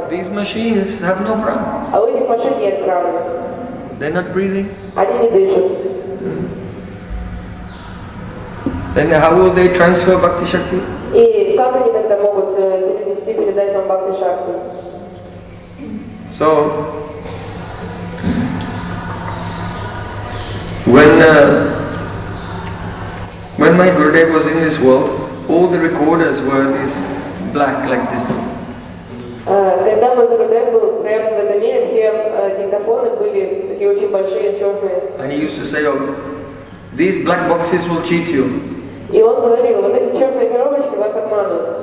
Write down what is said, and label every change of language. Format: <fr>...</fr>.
<en>These machines have no prana.</en> <ru>А у этих машин нет праны.</ru> <en>They're not breathing.</en> <ru>Они не дышат.</ru> <en>Then how will they transfer bhakti shakti?</en> <ru>И как они тогда могут перенести, передать вам бхакти шакти?</ru> <en>So, when my Gurudev was in this world, all the recorders were this black like this.</en> <ru>Когда мой Гурудев был прямо в этом мире, все диктофоны были такие очень большие, черные.</ru> <en>And he used to say, oh, these black boxes will cheat you.</en> <ru>И он говорил, вот эти черные коробочки вас обманут.</ru>